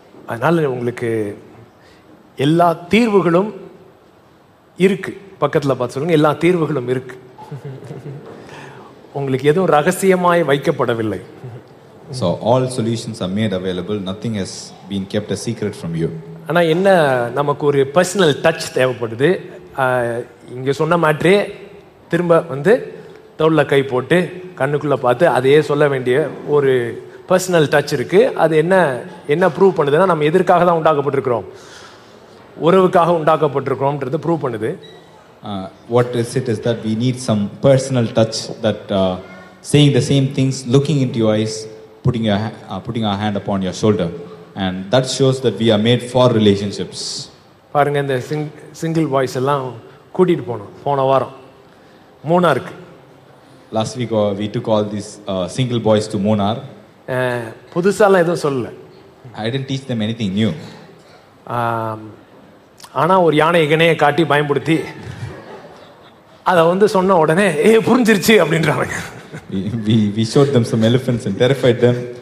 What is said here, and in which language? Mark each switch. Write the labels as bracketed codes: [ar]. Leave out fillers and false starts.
[ta] அதனால உங்களுக்கு எல்லா தீர்வுகளும் இருக்கு. பக்கத்தில் பார்த்து சொல்லுங்க, எல்லா தீர்வுகளும் இருக்கு. உங்களுக்கு எதுவும் ரகசியமாய் வைக்கப்படவில்லை. [en] So all solutions are made available. Nothing has been kept a secret from you. [ta] ஆனால் என்ன, நமக்கு ஒரு பர்சனல் டச் தேவைப்படுது. இங்கே சொன்ன மாதிரியே திரும்ப வந்து தோளில் கை போட்டு கண்ணுக்குள்ளே பார்த்து அதையே சொல்ல வேண்டிய ஒரு பர்சனல் டச் இருக்குது. அது என்ன என்ன ப்ரூவ் பண்ணுதுன்னா, நம்ம எதற்காக தான் உண்டாக்கப்பட்டிருக்கிறோம், உறவுக்காக உண்டாக்கப்பட்டிருக்கிறோம்ன்றது ப்ரூவ் பண்ணுது. [en] What is it is that we need some personal touch, that saying the same things, looking into your eyes, putting our hand upon your shoulder, and that shows that we are made for relationships. [ta] பாருங்க, இந்த [en] single voice [ta] எல்லாம் கூட்டிட்டு போனோம் போன வாரம் Munnar. [en] Last week we took all these single boys to Moonar. [ta] புதுசாலாம் எதுவும் சொல்லலை. [en] I didn't teach them anything new. [ta] ஆனால் ஒரு யானை இகனையை காட்டி பயன்படுத்தி அதை வந்து சொன்ன உடனே ஏ புரிஞ்சிருச்சு அப்படின்றாங்க. [en] We showed them some elephants and terrified them.